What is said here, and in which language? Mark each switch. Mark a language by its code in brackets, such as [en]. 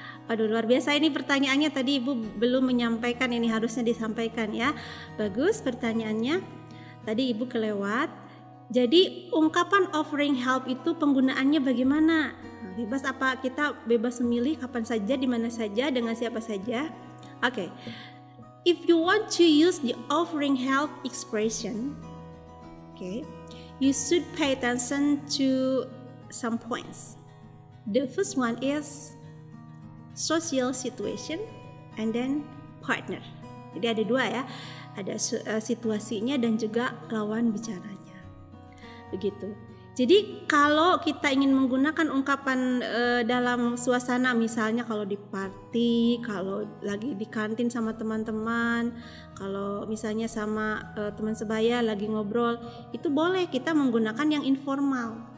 [id] Aduh, luar biasa ini pertanyaannya. Tadi Ibu belum menyampaikan, ini harusnya disampaikan ya. Bagus pertanyaannya. Tadi Ibu kelewat. Jadi, ungkapan offering help itu penggunaannya bagaimana? Bebas apa? Kita bebas memilih kapan saja, di mana saja, dengan siapa saja. Oke. Okay. [en] If you want to use the offering help expression, okay, you should pay attention to some points. The first one is social situation and then partner. [id] Jadi ada dua ya, ada situasinya dan juga lawan bicaranya. Begitu. Jadi kalau kita ingin menggunakan ungkapan dalam suasana, misalnya kalau di party, kalau lagi di kantin sama teman-teman, kalau misalnya sama teman sebaya lagi ngobrol, itu boleh kita menggunakan yang informal.